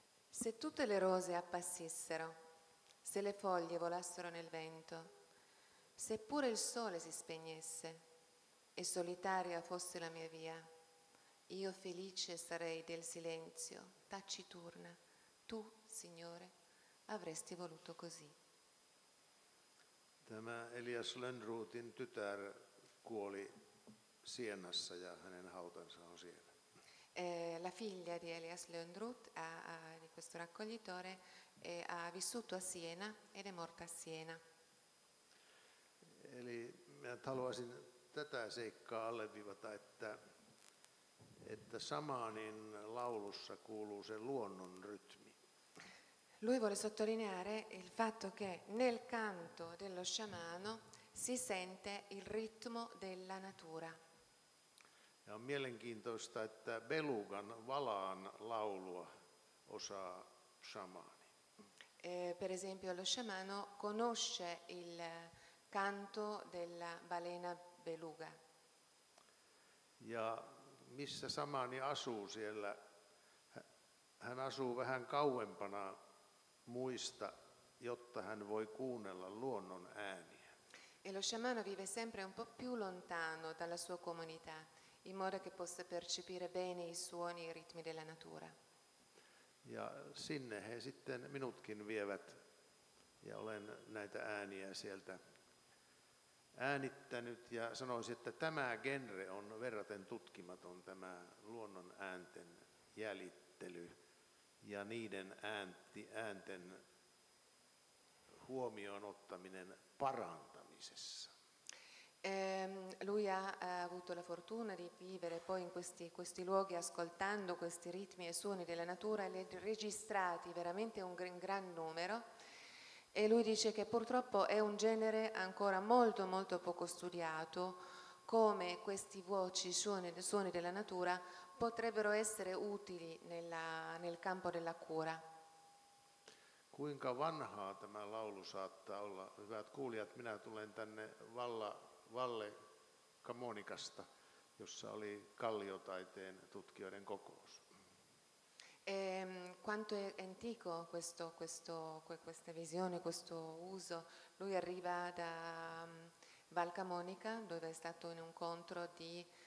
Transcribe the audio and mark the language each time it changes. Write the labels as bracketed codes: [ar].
[it] Se tutte le rose appassissero, se le foglie volassero nel vento, seppure il sole si spegnesse, e solitaria fosse la mia via, io felice sarei del silenzio, taciturna. Tu, Signore, avresti voluto così. [fi] Tämä Elias Lönnrotin tytär kuoli Siennassa ja hänen hautansa on siellä. [it] La figlia di Elias Lönnrot, di questo raccoglitore, ha vissuto a Siena ed è morta a Siena. [fi] Eli mä haluaisin tätä seikkaa alleviivata, että shamanin laulussa kuuluu se luonnon rytmi. [it] Lui vuole sottolineare il fatto che nel canto dello sciamano si sente il ritmo della natura. [fi] Ja on mielenkiintoista, että belugan valaan laulua osaa shamani. [it] Per esempio lo sciamano conosce il canto della balena beluga. [fi] Ja missä shamani asuu siellä? Hän asuu vähän kauempana muista, jotta hän voi kuunnella luonnon ääniä. [it] E lo sciamano vive sempre un po' più lontano dalla sua comunità, in modo che possa percepire bene i suoni e i ritmi della natura. [fi] Ja sinne he sitten minutkin vievät, ja olen näitä ääniä sieltä äänittänyt, ja sanoisin, että tämä genre on verraten tutkimaton, tämä luonnon äänten jäljittely ja niiden äänten huomioon ottaminen parantamisessa. [it] Lui ha avuto la fortuna di vivere poi in questi luoghi ascoltando questi ritmi e suoni della natura, e li registrati veramente un gran numero. E lui dice che purtroppo è un genere ancora molto molto poco studiato, come questi voci, suoni della natura potrebbero essere utili nel campo della cura. [fi] Kuinka vanhaa tämä laulu saattaa olla? Hyvät kuulijat, minä tulen tänne Valle Camonicasta, jossa oli kalliotaiteen tutkijoiden kokous. [it] Quanto è antico questa visione, questo uso? Lui arriva da Val Camonica, dove è stato in un incontro di